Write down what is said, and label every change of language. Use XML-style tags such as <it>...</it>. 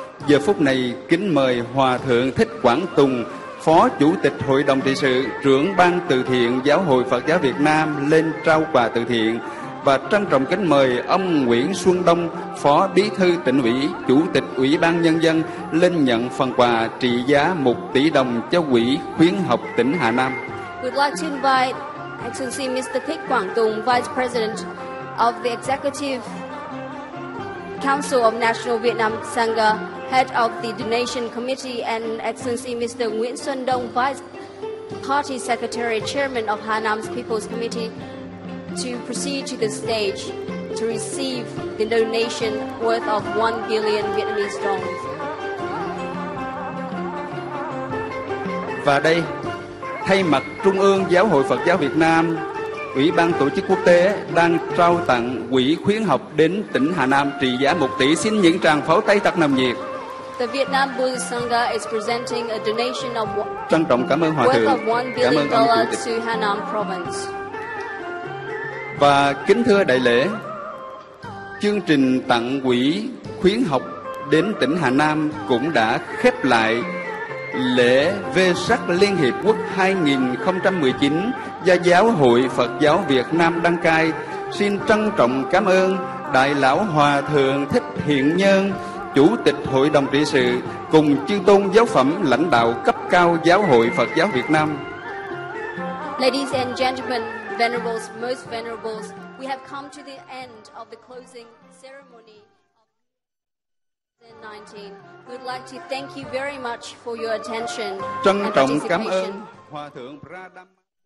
<vi>Giờ phút này kính mời Hòa thượng Thích Quảng Tùng, Phó Chủ tịch Hội đồng trị sự, trưởng ban từ thiện Giáo hội Phật giáo Việt Nam lên trao quà từ thiện, và trân trọng kính mời ông Nguyễn Xuân Đông, Phó Bí thư Tỉnh ủy, Chủ tịch Ủy ban Nhân dân lên nhận phần quà trị giá 1 tỷ đồng cho quỹ khuyến học tỉnh Hà Nam.</vi> <en>We'd like to invite Excellency Mr. Thích Quảng Tùng, Vice President of the Executive Council of National Vietnam Sangha, Head of the Donation Committee, and Excellency Mr. Nguyễn Xuân Đông, Vice Party Secretary, Chairman of Hanam's People's Committee, to proceed to the stage to receive the donation worth of 1 billion Vietnamese dong.</en> <vi>Và đây, thay mặt Trung ương Giáo hội Phật giáo Việt Nam, Ủy ban Tổ chức Quốc tế đang trao tặng quỹ khuyến học đến tỉnh Hà Nam trị giá 1 tỷ, xin những tràng pháo tay thật nồng nhiệt.</vi> <en>The Vietnam Buddhist Sangha is presenting a donation of</en> <vi>trân trọng cảm ơn Hòa thượng, cảm ơn ông Chủ tịch. Hanam Province. Và kính thưa đại lễ, chương trình tặng quỹ khuyến học đến tỉnh Hà Nam cũng đã khép lại lễ Vesak Liên Hiệp Quốc 2019 do Giáo hội Phật giáo Việt Nam đăng cai. Xin trân trọng cảm ơn Đại lão Hòa thượng Thích Hiện Nhân, Chủ tịch Hội đồng trị sự, cùng chư tôn giáo phẩm lãnh đạo cấp cao Giáo hội Phật giáo Việt Nam.</vi> <en>Ladies and gentlemen, venerables, most venerables, we have come to the end of the closing ceremony of 2019. We'd like to thank you very much for your attention.</en> <vi>Trân trọng cảm ơn Hòa thượng Pradhamma.</vi>